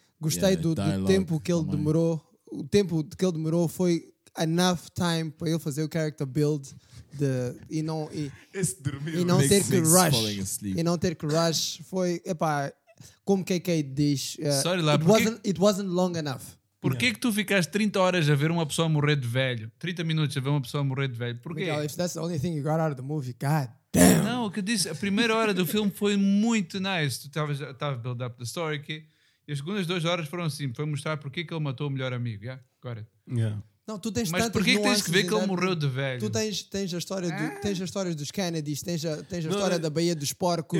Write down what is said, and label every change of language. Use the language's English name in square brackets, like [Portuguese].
[Portuguese] Gostei do tempo que ele demorou. O tempo que ele demorou foi [English] enough time [Portuguese] para ele fazer o [English] character build. [Portuguese] De, e não ter que rush. E não ter que rush. Foi, epá, como KK diz. [English] Sorry, lá, it wasn't long enough. [Portuguese] Porquê que tu ficaste 30 horas a ver uma pessoa morrer de velho? 30 minutos a ver uma pessoa morrer de velho. Porquê? [English] Miguel, if that's the only thing you got out of the movie, God damn. [Portuguese] Não, o que eu disse, a primeira hora do filme foi muito nice. Tu estavas [English] build up the story [Portuguese] aqui. E as segundas 2 horas foram assim, foi mostrar porquê que ele matou o melhor amigo. [English] Yeah? Got it. Yeah. [Portuguese] Não, tu tens mas porquê que tens que ver que ele morreu de velho? Tu tens a história tens a história dos Kennedys, tens a história da Baía dos Porcos.